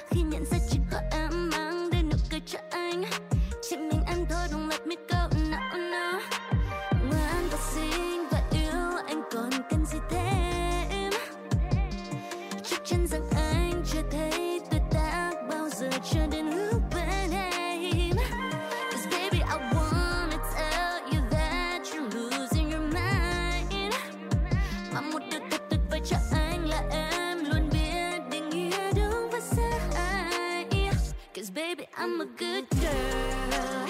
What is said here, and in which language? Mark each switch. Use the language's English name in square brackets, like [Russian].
[Vietnamese] Khi nhận ra chỉ có em mang đến nụ cười cho anh. Chỉ mình em thôi, [English] don't let me go, no no. [Vietnamese] Ngoan và xinh và yêu, anh còn cần gì thêm? Chắc chắn rằng anh chưa thấy tuyệt tác bao giờ cho đến lúc bên em. [English] 'Cause baby I wanna tell you that you're losing your mind. [Vietnamese] Mà một điều thật tuyệt vời cho anh là em luôn biết định nghĩa đúng và sai. [English] 'Cause baby I'm a good girl.